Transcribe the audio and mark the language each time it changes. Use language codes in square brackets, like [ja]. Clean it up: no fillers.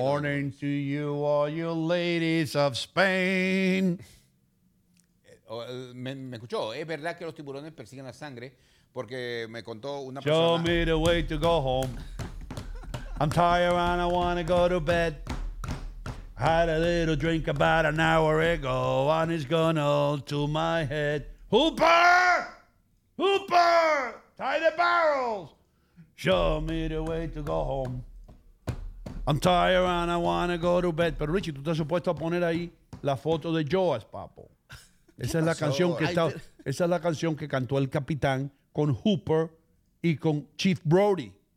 [en] Morning to you, all you ladies of Spain. [es] ¿Me escuchó? ¿Es verdad que los tiburones persiguen la sangre? Porque me contó una persona. [en] Show me the way to go home. I'm tired and I want to go to bed. Had a little drink about an hour ago and it's gone all to my head. Hooper! Hooper! Tie the barrels! Show me the way to go home. I'm tired and I want to go to bed. [es] Pero Richie, tú estás supuesto a poner ahí la foto de Joas, papo. Esa es la canción que está, esa es la canción que cantó el capitán con Hooper y con Chief Brody.